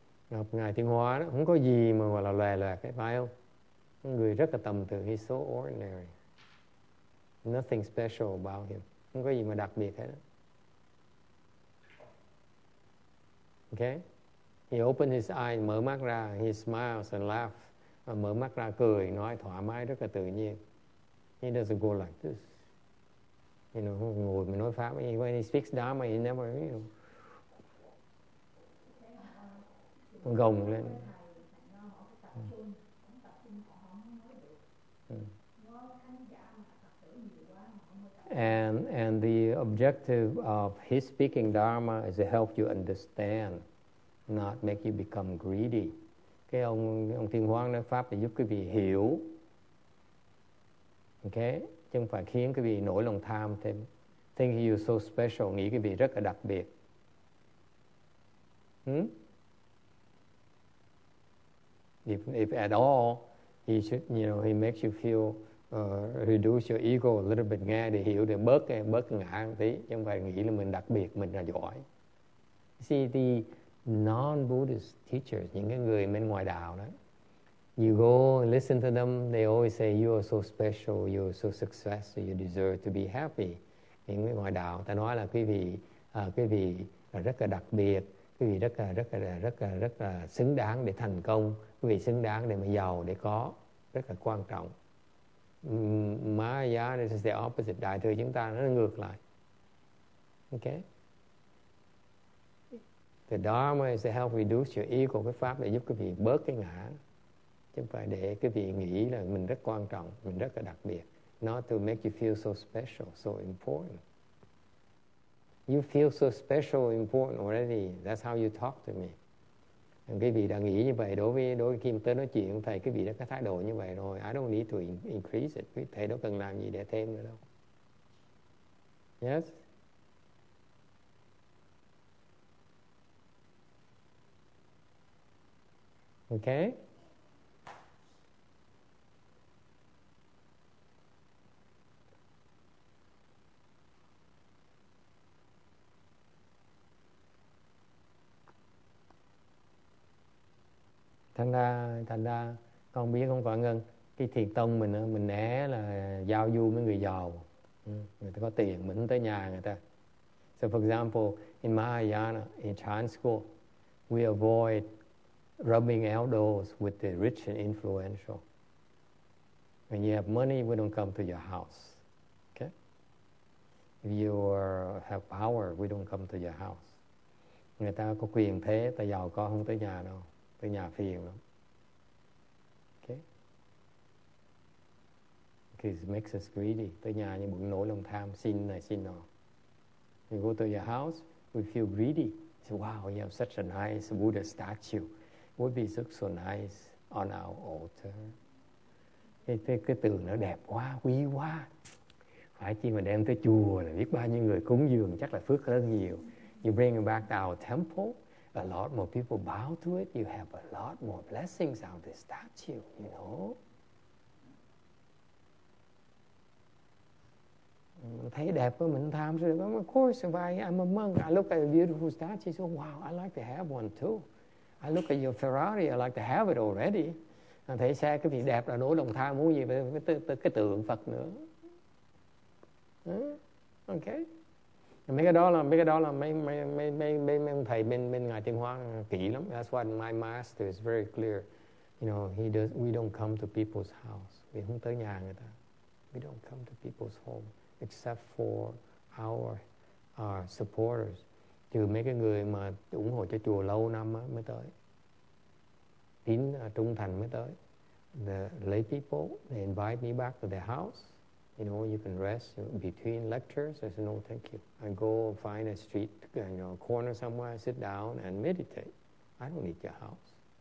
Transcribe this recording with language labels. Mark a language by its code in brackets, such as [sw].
[vi] Ngọc ngài Tiếng Hóa đó không có gì mà gọi là lè lè cái, phải không? Người rất là tầm thường, [en] he's so ordinary, nothing special about him, [vi] không có gì mà đặc biệt hết. [en] Okay. He opened his eyes, [vi] mở mắt ra, [en] he smiles and laughs. [vi] Mở mắt ra cười, nói thoải mái, rất là tự nhiên. [en] He doesn't go like this. [vi] You know, ngồi mà nói pháp. [en] When he speaks Dharma, he never, you know, [vi] gồng lên. [en] And the objective of his speaking Dharma is to help you understand, not make you become greedy. [vi] Cái ông Thiên Hoàng nói pháp để giúp quý vị hiểu. Okay? Chứ không phải khiến quý vị nổi lòng tham thêm. [en] Think you're so special, [vi] nghĩ quý vị rất là đặc biệt. [en] If at all, he should, you know, he makes you feel, reduce your ego a little bit, [vi] nghe để hiểu, để bớt ngã một tí. Chứ không phải nghĩ là mình đặc biệt, mình là giỏi. [en] See, the non-Buddhist teachers, [vi] những cái người bên ngoài đạo đó, [en] you go and listen to them, they always say, you are so special, you are so successful, you deserve to be happy. [vi] Những người ngoài đạo, ta nói là quý vị là rất là đặc biệt, quý vị rất là xứng đáng để thành công, quý vị xứng đáng để mà giàu, để có, rất là quan trọng. [en] Mahayana is the opposite, [vi] đại thừa chúng ta nó ngược lại. [en] Okay? The Dharma is to help reduce your ego. [vi] Cái pháp để giúp quý vị bớt cái ngã. Chứ không phải để quý vị nghĩ là mình rất quan trọng, mình rất là đặc biệt. [en] Not to make you feel so special, so important. you feel so special, important already. That's how you talk to me. [vi] And quý vị đã nghĩ như vậy đối với khi tới nói chuyện với thầy, quý vị đã có thái độ như vậy rồi. [en] I don't need to increase it. [vi] Thầy đâu cần làm gì để thêm nữa đâu. Yes? [en] Okay? [vi] Thành ra con biết không, Phạm Ngân, cái thiền tông mình né là giao du với người giàu, người ta có tiền mình tới nhà người ta. [en] So for example, in Mahayana, in Chan school, we avoid rubbing elbows with the rich and influential. When you have money, we don't come to your house. Okay? If you have power, we don't come to your house. [vi] Người ta có quyền thế, ta giàu có không tới nhà đâu. Tới nhà phiền lắm. Okay. [en] It makes us greedy. [vi] Tới nhà như bụng nổi lòng tham, xin này xin nọ. [en] We go to your house, we feel greedy. So, wow, you have such a nice Buddha statue. Would be so nice on our altar. [vi] Cái tường nó đẹp quá, quý quá. Phải chi mà đem tới chùa là biết bao nhiêu người cúng dường, chắc là phước hơn nhiều. [en] You bring it back to our temple, a lot more people bow to it. You have a lot more blessings out of this statue, you know. [vi] Thấy đẹp quá, mình tham rồi. [en] Of course, if I'm a monk, I look at a beautiful statue, so wow, I like to have one too. I look at your Ferrari, I like to have it already. [vi] Thấy xe cái gì đẹp là nỗi lòng tham muốn gì cái tượng Phật nữa. Okay. Mấy cái đó là mấy ông thầy bên ngài Tiên Hoa kỹ lắm. [en] That's why my master is very clear. You know, we don't come to people's house. [vi] We không tới nhà người ta. [en] We don't come to people's home except for our supporters. [vi] Trừ mấy cái người mà ủng hộ cho chùa lâu năm á mới tới. Tín trung thành mới tới. [en] The lay people, they invite me back to their house. You know, you can rest between lectures. I said, no, thank you. I go find a street, you know, corner somewhere, sit down and meditate. I don't need your house.